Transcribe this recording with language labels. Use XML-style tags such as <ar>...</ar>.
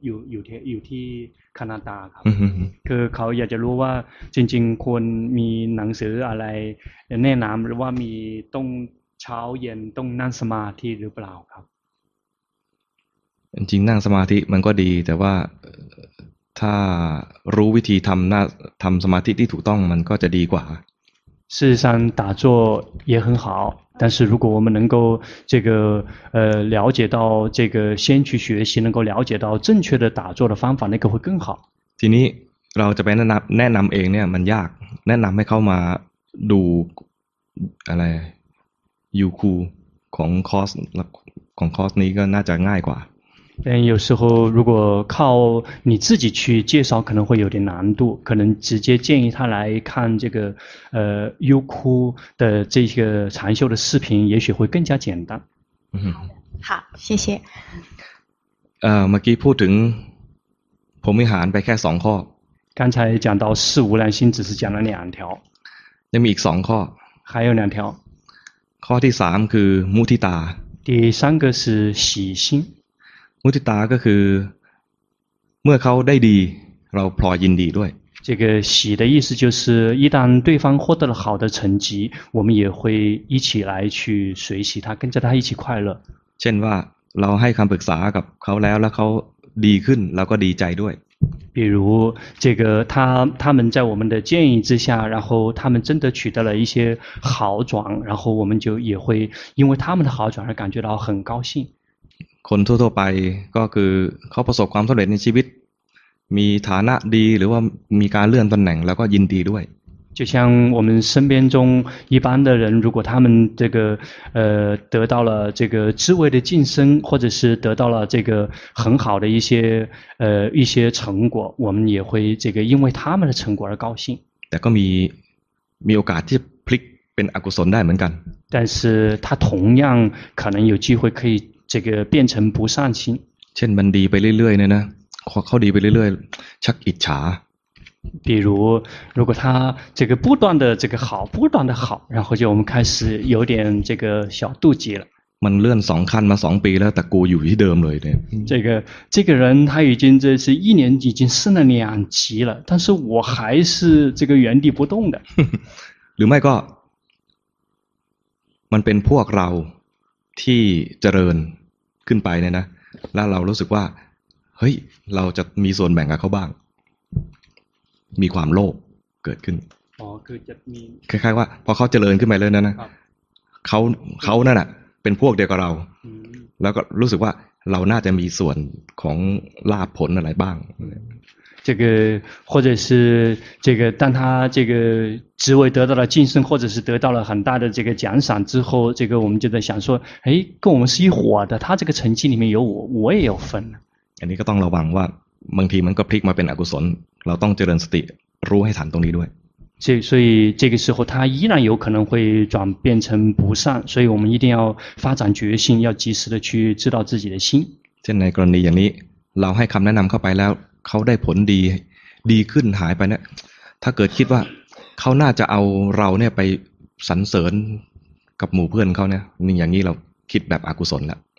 <th>อยู่ที่แคนาดาครับคือเขาอยากจะรู้ว่าจริงๆควรมีหนังสืออะไรแนะนำหรือว่ามีต้องเช้าเย็นต้องนั่งสมาธิหรือเปล่าครับ จริงๆนั่งสมาธิมันก็ดีแต่ว่าถ้ารู้วิธีทำสมาธิที่ถูกต้องมันก็จะดีกว่า</th> <zh>事实上打坐也很好，但是如果我们能够这个了解到这个先去学习，能够了解到正确的打坐的方法，那个会更好。</zh> <th>ทีนี้เราจะไปแนะนำเองเนี่ยมันยากแนะนำให้เข้ามาดูอะไรยูคูของคอร์สนี้ก็น่าจะง่ายกว่า。</th> <zh>但有时候如果靠你自己去介绍可能会有点难度，可能直接建议他来看这个优酷的这个禅修的视频也许会更加简单。嗯，好，谢谢。</zh> <th>เมื่อกี้พูดถึงพรหมวิหารไปแค่2ข้อ</th> <zh>刚才讲到四无量心只是讲了两条</zh> <th>ยังมีอีก2ข้</th> <zh>อ还有两条</zh> <th>ข้อที่3คือมุทิตา</th> <zh>第三个是喜心</zh> <th>มุทิตาก็คือเมื่อเขาได้ดีเราพลอยยินดีด้วย</th> <zh>这个喜的意思就是一旦对方获得了好的成绩我们也会一起来去随喜他跟着他一起快乐</zh> <th>เช่นว่าเราให้คำปรึกษากับเขาแล้วเขาดีขึ้นเราก็ดีใจด้วย</th> <zh>比如这个他们在我们的建议之下然后他们真的取得了一些好转然后我们就也会因为他们的好转而感觉到很高兴</zh> <th>คนทั่วๆไปก็คือเขาประสบความสำเร็จในชีวิตมีฐานะดีหรือว่ามีการเลื่อนตำแหน่งแล้วก็ยินดีด้วย</th> <zh>就像我们身边中一般的人如果他们这个得到了这个职位的晋升或者是得到了这个很好的一些成果我们也会这个因为他们的成果而高兴</zh> <th>แต่ก็มีโอกาสที่พลิกเป็นอกุศลได้เหมือนกัน</th> <zh>但是他同样可能有机会可以这个变成不善心</zh> <th>เช่นมันดีไปเรื่อยๆเนี่ยนะเขาดีไปเรื่อยๆชักอิจฉา</th> <zh>比如如果他这个不断的这个好不断的好然后就我们开始有点这个小妒忌了</zh> <th>มันเลื่อน2ขั้นมา2ปีแล้วแต่กูอยู่ที่เดิมเลยเนี่ย</th> <zh>这个人他已经这是一年已经升了两级了但是我还是这个原地不动的</zh> <th>หรือไม่ก็มันเป็นพวกเราที่เจริญขึ้นไปเนี่ยนะแล้วเรารู้สึกว่าเฮ้ยเราจะมีส่วนแบ่งกับเขาบ้างมีความโลภเกิดขึ้น อ๋อคือจะมี คล้ายๆว่าพอเขาเจริญขึ้นไปเลยนะนะเขานั่นน่ะเป็นพวกเดียวกับเราแล้วก็รู้สึกว่าเราน่าจะมีส่วนของลาภผลอะไรบ้าง</th> <zh>这个或者是这个当他这个职位得到了晋升或者是得到了很大的这个奖赏之后这个我们就在想说哎跟我们是一伙的他这个成绩里面有我也有份</zh> <th>อันนี้ก็ต้องระวังว่าบางทีมันก็พลิกมาเป็นอกุศลเราต้องเจริญสติรู้ให้ทันตรงนี้ด้วย</th> <zh>所以这个时候他依然有可能会转变成不善所以我们一定要发展决心要及时的去知道自己的心</zh> <th>เช่นในกรณีอย่างนี้เราให้คำแนะนำเข้าไปแล้วเขาได้ผลดีขึ้นหายไปนะถ้าเกิดคิดว่าเขาน่าจะเอาเราเนี่ยไปสรรเสริญกับหมู่เพื่อนเขาเนี่ยนี่อย่างนี้เราคิดแบบอกุศลละ</th>